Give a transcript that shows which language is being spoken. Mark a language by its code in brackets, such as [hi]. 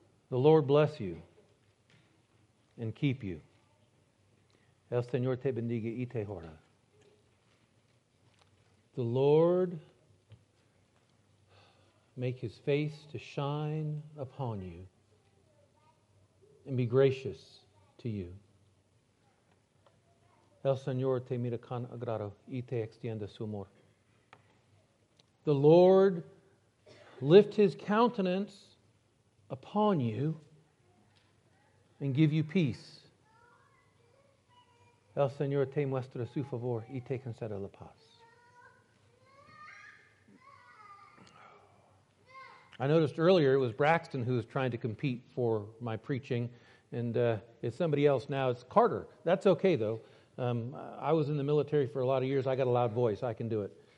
[en] The Lord bless you and keep you. [es] El Señor te bendiga y te guarda. [en] The Lord make His face to shine upon you and be gracious to you. [es] El Señor te mira con agrado y te extiende su amor. [en] The Lord lift His countenance upon you and give you peace. [es] El Señor te muestra su favor y te concede la paz. [en] I noticed earlier it was Braxton who was trying to compete for my preaching, and it's somebody else now. It's Carter. That's okay, though. I was in the military for a lot of years. I got a loud voice. I can do it.